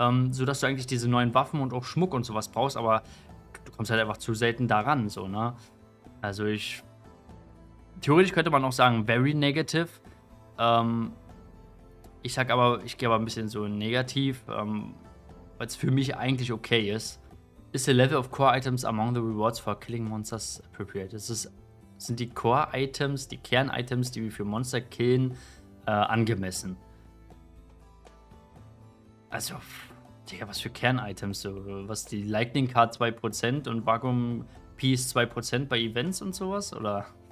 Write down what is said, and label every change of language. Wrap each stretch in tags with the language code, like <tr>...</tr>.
<de>So dass du eigentlich diese neuen Waffen und auch Schmuck und sowas brauchst, aber du kommst halt einfach zu selten daran, so, ne? Also ich. Theoretisch könnte man auch sagen,</de> <en>very negative.</en> <de>Ich sag aber, ich gehe aber ein bisschen so negativ, weil es für mich eigentlich okay ist.</de> <en>Is the level of core items among the rewards for killing monsters appropriate?</en> <de>Sind die Core-Items, die Kern-Items, die wir für Monster killen, angemessen? Also, Digga, was für Kern-Items, so, was die Lightning Card 2% und Vacuum Piece 2% bei Events und sowas, oder?</de>